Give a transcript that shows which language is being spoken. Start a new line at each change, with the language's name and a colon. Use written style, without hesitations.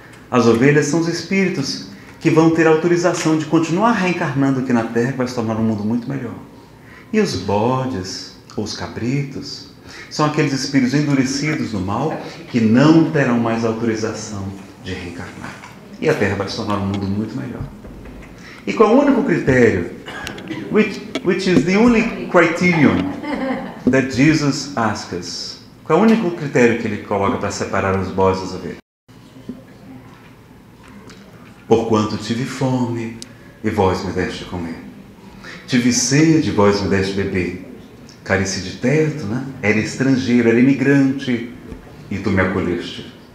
Portuguese: As ovelhas são os Espíritos que vão ter autorização de continuar reencarnando aqui na Terra, que vai se tornar um mundo muito melhor. E os bodes, ou os cabritos, são aqueles Espíritos endurecidos no mal que não terão mais autorização de reencarnar. E a Terra vai se tornar um mundo muito melhor. E qual é o único critério?
English: Which is the only criterion that Jesus asks us?
Portuguese: Qual é o único critério que ele coloca para separar os bodes das ovelhas? Porquanto tive fome, e vós me deste comer. Tive sede, e vós me deste beber. Careci de teto, né? Era estrangeiro, era imigrante, e tu me acolheste.